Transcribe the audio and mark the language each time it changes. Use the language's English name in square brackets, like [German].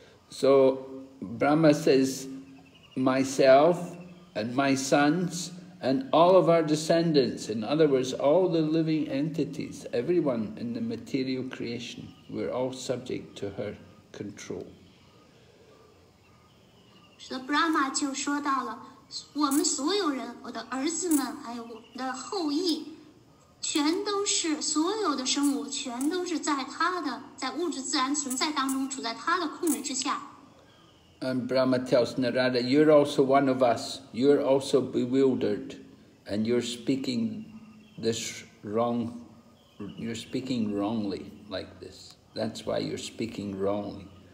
[English] So Brahma says, myself and my sons and all of our descendants, in other words, all the living entities, everyone in the material creation, we're all subject to her control. [Chinese] 所以 Brahma 就说到了我们所有人，我的儿子们还有我的后裔，全都是所有的生物全都是在他的在物质自然存在当中处在他的控制之下。 [English] And Brahma tells Narada, you're also one of us, you're also bewildered, and you're speaking this wrong, you're speaking wrongly like this, that's why you're speaking wrongly.